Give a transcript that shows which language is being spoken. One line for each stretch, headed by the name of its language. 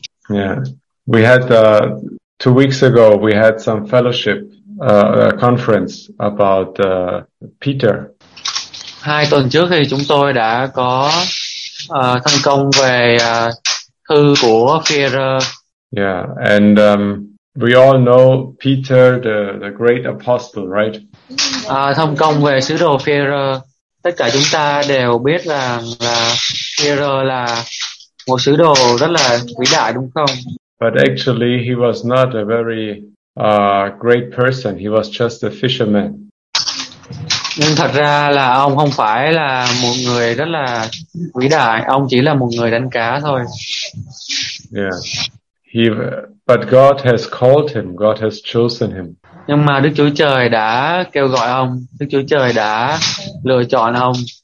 English: Yeah. We had 2 weeks ago we had some fellowship conference about Peter.
Vietnamese: 2 tuần trước thì chúng tôi đã có thành công về thư của Peter.
English: Yeah, and we all know Peter, the great apostle, right?
Vietnamese: Thông công về sứ đồ Phêrô, tất cả chúng ta đều biết rằng là Phêrô là một sứ đồ rất là vĩ đại, đúng không?
English: But actually, he was not a very great person. He was just a fisherman.
Vietnamese: Nhưng thật ra là ông không phải là một người rất là vĩ đại. Ông chỉ là một người đánh cá thôi.
English: Yeah. But God has called him. God has chosen him.
Vietnamese: Nhưng mà Đức Chúa Trời đã kêu gọi ông. Đức Chúa Trời đã lựa chọn ông.